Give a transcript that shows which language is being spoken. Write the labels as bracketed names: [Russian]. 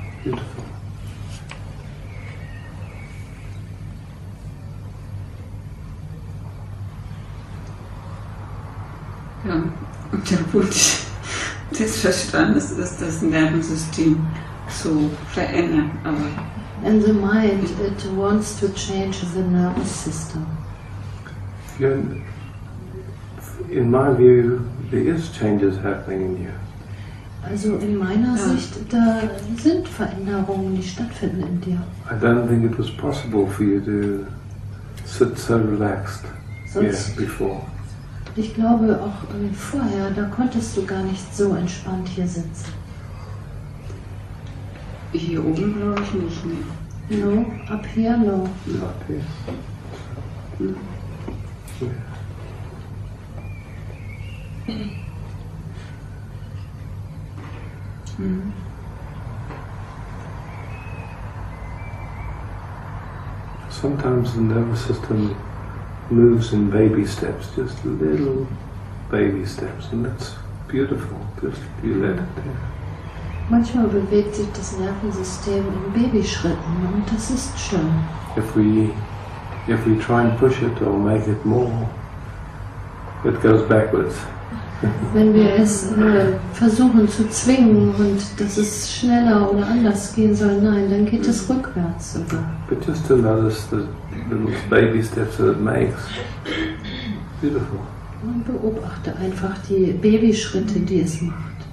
[English] Beautiful. [German] Des Verstandes ist das Nervensystem zu verändern, aber [English] and the mind, it wants to change the nervous system. In my view, there is changes happening in you. [German] Also in meiner Sicht, da sind Veränderungen, die stattfinden in dir. [English] I don't think it was possible for you to sit so relaxed before. [German] Ich glaube, auch vorher, da konntest du gar nicht so entspannt hier sitzen. Hier oben glaube ich nicht mehr. [English] No, up here, no. Ja, up here. Sometimes the nervous system moves in baby steps, just little baby steps, and that's beautiful, just you let it there. [German] Manchmal bewegt sich das Nervensystem in Babyschritten, und das ist schön. [English] If we try and push it or make it more, it goes backwards. [German] Wenn wir es versuchen zu zwingen und dass es schneller oder anders gehen soll, nein, dann geht es rückwärts sogar. [English] But just to notice the little baby steps that it makes. Beautiful. [German] Und beobachte einfach die Babyschritte, die es macht.